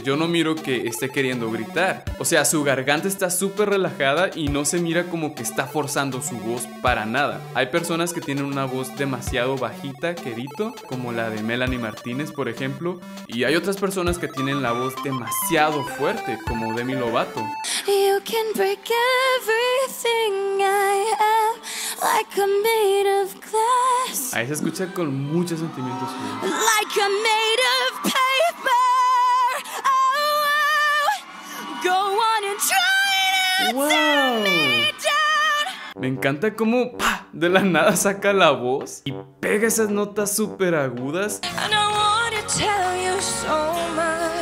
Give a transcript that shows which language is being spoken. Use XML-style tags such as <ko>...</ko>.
<es>Yo no miro que esté queriendo gritar. O sea, su garganta está súper relajada y no se mira como que está forzando su voz para nada. Hay personas que tienen una voz demasiado bajita, querito, como la de Melanie Martínez, por ejemplo. Y hay otras personas que tienen la voz demasiado fuerte, como Demi Lovato.</es> <en>You can break everything I have, like I'm made of glass.</en> <es>Ahí se escucha con muchos sentimientos.</es> <en>Like I'm made of paper. Oh, wow. Go on and try to turn me down.</en> <es>Me encanta cómo de la nada saca la voz y pega esas notas súper agudas.</es> <en>And I want to tell you so much.</en>